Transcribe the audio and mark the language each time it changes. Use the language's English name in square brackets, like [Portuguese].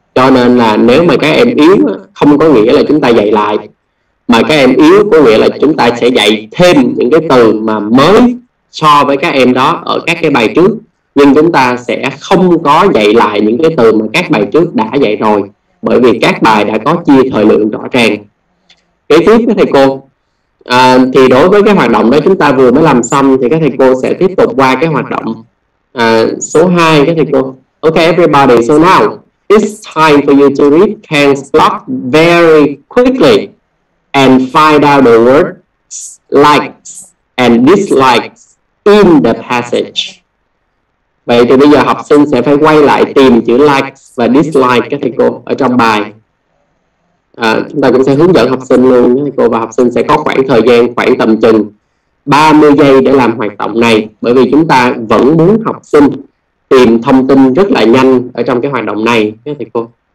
[Vietnamese] Cho nên là nếu mà các em yếu không có nghĩa là chúng ta dạy lại, mà các em yếu có nghĩa là chúng ta sẽ dạy thêm những cái từ mà mới so với các em đó ở các cái bài trước, nhưng chúng ta sẽ không có dạy lại những cái từ mà các bài trước đã dạy rồi, bởi vì các bài đã có chia thời lượng rõ ràng. Kế tiếp với thầy cô, thì đối với cái hoạt động đó chúng ta vừa mới làm xong, thì các thầy cô sẽ tiếp tục qua cái hoạt động số 2 các thầy cô. [English] Ok everybody, so now it's time for you to read Ken's blog very quickly and find out the words likes and dislikes in the passage. [Vietnamese] Vậy thì bây giờ học sinh sẽ phải quay lại tìm chữ like và dislike các thầy cô ở trong bài. Chúng ta cũng sẽ hướng dẫn học sinh luôn các thầy cô, và học sinh sẽ có khoảng thời gian khoảng tầm chừng 30 giây để làm hoạt động này, bởi vì chúng ta vẫn muốn học sinh tìm thông tin rất là nhanh ở trong cái hoạt động này các thầy cô.